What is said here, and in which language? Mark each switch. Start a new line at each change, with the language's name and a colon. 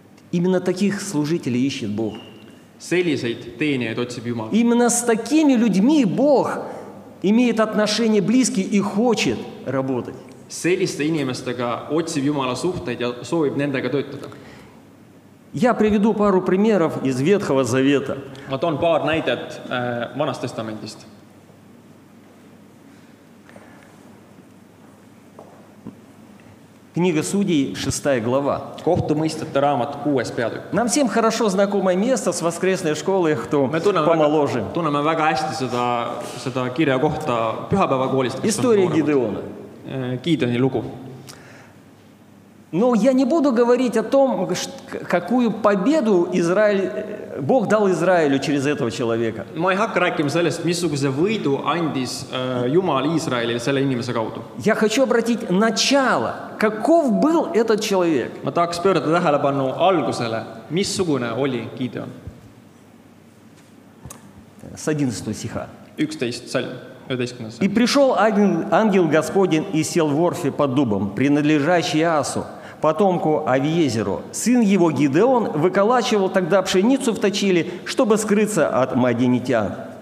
Russian: Именно таких служителей ищет Бог.
Estonian: Selliseid teenijaid otsib Jumal.
Russian: Именно с такими людьми Бог имеет отношение близкие и хочет работать.
Estonian: Selliste inimestega otsib Jumala suhteid ja soovib nendega töötada.
Russian: Я приведу пару примеров из Ветхого Завета.
Estonian: Ma toon paar näidet Vanast Testamentist.
Russian: Книга Судей, 6 глава.
Estonian: Kohtumõistjate raamat, 6 peatükk.
Russian: Нам всем хорошо знакомое место с воскресной школы, кто помоложе.
Estonian: Me tunneme väga hästi seda kirja kohta pühapäevakoolist.
Russian: История Гидеона.
Estonian: Гидеони лугу.
Russian: Но я не буду говорить о том, какую победу Бог дал Израилю через этого человека.
Estonian: Ma ei hakka rääkima sellest, missuguse võidu andis Jumal Israelile selle inimese kaudu.
Russian: Я хочу обратить начало, каков был этот человек.
Estonian: Ma tahaks pöörata tähelepanu algusele, missugune oli Gideon.
Russian: С 11 стиха.
Estonian: 11 salm.
Russian: И пришел ангел Господень и сел в Орфе под дубом, принадлежащий Асу, потомку Авиезеру. Сын его Гидеон выколачивал тогда пшеницу в точиле, чтобы скрыться от мадианитян.